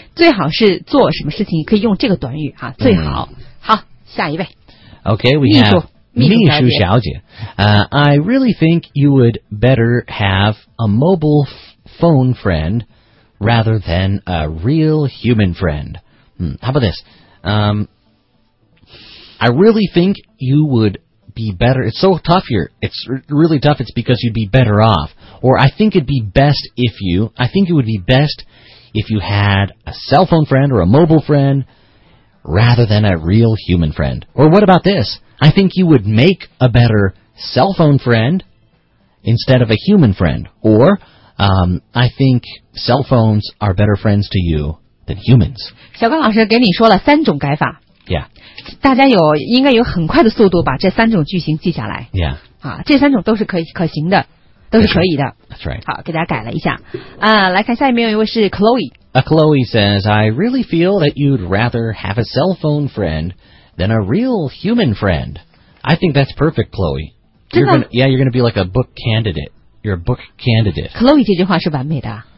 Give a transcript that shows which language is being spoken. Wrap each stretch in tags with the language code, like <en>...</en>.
<zh>最好是做什么事情，可以用这个短语啊。最好。好，下一位。</zh> <en>Okay, we have秘书小姐。 I really think you would better have a mobile phone friend rather than a real human friend. How about this? I really think you would be better. It's so tough here. It's really tough. It's because you'd be better off. Or I think it'd be best if you. I think it would be best if you had a cell phone friend or a mobile friend rather than a real human friend. Or what about this? I think you would make a better cell phone friend instead of a human friend. Or I think cell phones are better friends to you. Humans.</en> <zh>小刚老师给你说了三种改法。</zh> <en>Yeah.</en> <zh>大家有应该有很快的速度把这三种句型记下来。</zh> <en>Yeah.</en> <zh>啊，这三种都是可行的，都是可以的。</zh> <en>That's right.</en> <zh>好，给大家改了一下。来看下面有一位是 Chloe。</zh> <en>Chloe says, I really feel that you'd rather have a cell phone friend than a real human friend. I think that's perfect, Chloe.</en> <zh>真的？</zh> <en>Yeah, you're going to be like a book candidate. You're a book candidate.</en> <zh>Chloe 这句话是完美的。</zh>